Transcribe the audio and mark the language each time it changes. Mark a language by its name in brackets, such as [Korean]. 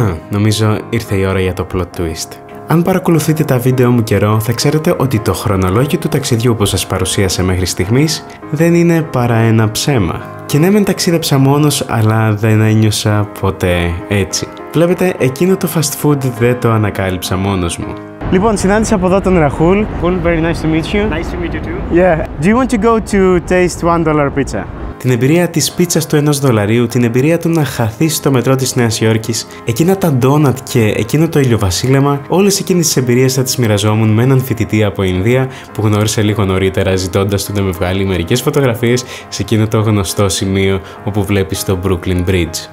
[Greek] Νομίζω ήρθε η ώρα για το plot twist. Αν παρακολουθείτε τα βίντεο μου καιρό, θα ξέρετε ότι το χρονολόγιο του ταξιδιού που σας παρουσίασα μέχρι στιγμής δεν είναι παρά ένα ψέμα. Και ναι, μεν ταξίδεψα μόνος, αλλά δεν ένιωσα ποτέ έτσι. Βλέπετε, εκείνο το fast food δεν το ανακάλυψα μόνος μου. Λοιπόν, συνάντησα από εδώ τον Ραχούλ. [English] Ραχούλ, very nice to meet you. Nice to meet you too. Yeah. Do you want to go to taste $1 pizza? [Greek] Την εμπειρία της πίτσας του ενός δολαρίου, την εμπειρία του να χαθείς στο μετρό της Νέας Υόρκης, εκείνα τα ντόνατ και εκείνο το ηλιοβασίλεμα, όλες εκείνες τις εμπειρίες θα τις μοιραζόμουν με έναν φοιτητή από Ινδία που γνώρισε λίγο νωρίτερα, ζητώντας του να με βγάλει μερικές φωτογραφίες σε εκείνο το γνωστό σημείο όπου βλέπεις το Brooklyn Bridge.